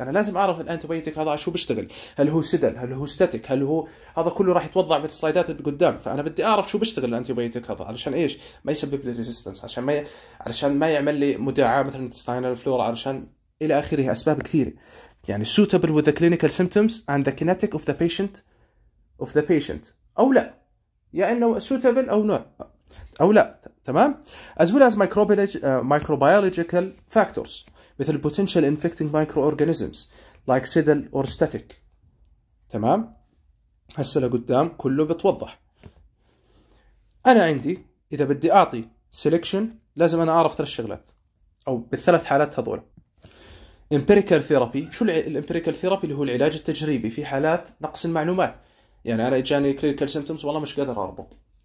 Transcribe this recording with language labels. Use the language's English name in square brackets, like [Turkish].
[Arabic] أنا لازم أعرف الأنتي بيوتيك هذا شو بيشتغل، هل هو سدل، هل هو ستاتيك، هل هو هذا كله راح يتوضع بالسلايدات اللي قدام، فأنا بدي أعرف شو بيشتغل الأنتي بيوتيك هذا علشان إيش؟ ما يسبب لي ريزيستنس، علشان ما يعمل لي مداعاة مثل انتستاينال فلورا، علشان إلى آخره، أسباب كثيرة. [English] يعني suitable with the clinical symptoms and the kinetic of the patient أو لا، [Arabic] يا يعني إنه [English] suitable أو not أو لا. تمام، as well as microbiological factors [Arabic] مثل [English] potential infecting microorganisms like sedal or static. [Arabic] تمام، هسه لقدام كله بتوضح. أنا عندي إذا بدي أعطي selection لازم أنا أعرف ثلاث شغلات أو بالثلاث حالات هذول. empirical therapy، شو الempirical therapy؟ اللي هو العلاج التجريبي في حالات نقص المعلومات، يعني أنا إجاني [English] clinical symptoms [Arabic] والله مش قادر أربط.